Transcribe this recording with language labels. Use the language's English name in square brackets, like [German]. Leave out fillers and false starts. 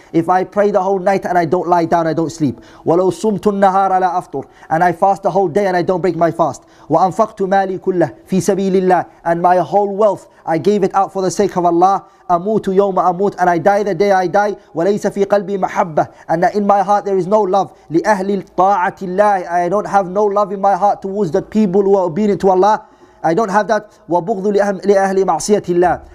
[English] If I pray the whole night and I don't lie down, I don't sleep. [Arabic] ولو صمت النهار لا أفطر. [English] And I fast the whole day and I don't break my fast. [Arabic] وأنفقت مالي كله في سبيل الله. [English] And my whole wealth, I gave it out for the sake of Allah. [Arabic] أموت يوم أموت. [English] And I die the day I die. [Arabic] وليس في قلبي محبة. [English] And that in my heart there is no love. [Arabic] لأهل طاعة الله. [English] I don't have no love in my heart towards the people who are obedient to Allah. I don't have that. [Arabic] وَبُغْضُ لِأَهْلِ مَعْصِيَةِ اللَّهِ.